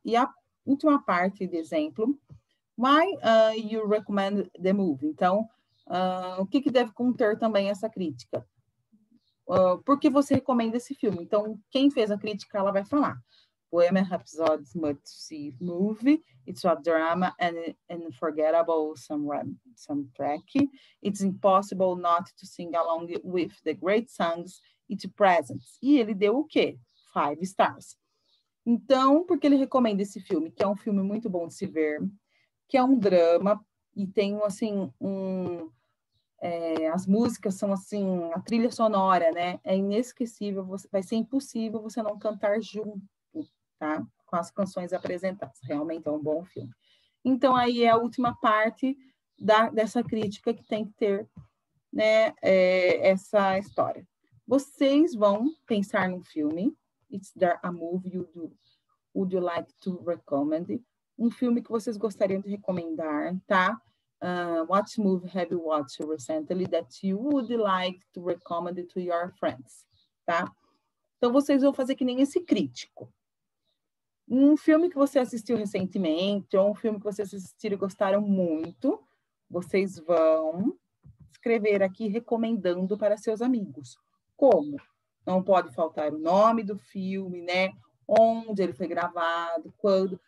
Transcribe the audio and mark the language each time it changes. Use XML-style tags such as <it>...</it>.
<pt>E a última parte de exemplo,</pt> <en>why you recommend the movie?</en> <pt>Então, o que que deve conter também essa crítica? Por que você recomenda esse filme? Então, quem fez a crítica, ela vai falar:</pt> <en>Bohemian Rhapsody is a must-see movie. It's a drama and an unforgettable soundtrack. It's impossible not to sing along with the great songs it presents.</en> <pt>E ele deu o quê?</pt> <en>Five stars.</en> <pt>Então, por que ele recomenda esse filme? Que é um filme muito bom de se ver, que é um drama e tem assim um as músicas são assim, a trilha sonora, né? É inesquecível, vai ser impossível você não cantar junto, tá? Com as canções apresentadas. Realmente é um bom filme. Então, aí é a última parte dessa crítica que tem que ter, né? Essa história. Vocês vão pensar num filme.</pt> <en>Is there a movie would you like to recommend?</en> <pt>Um filme que vocês gostariam de recomendar, tá?</pt> <en>What movie have you watched recently that you would like to recommend to your friends?</en> <pt>Tá? Então vocês vão fazer que nem esse crítico. Um filme que você assistiu recentemente ou um filme que vocês assistiram e gostaram muito, vocês vão escrever aqui recomendando para seus amigos. Como? Não pode faltar o nome do filme, né? Onde ele foi gravado, quando?</pt>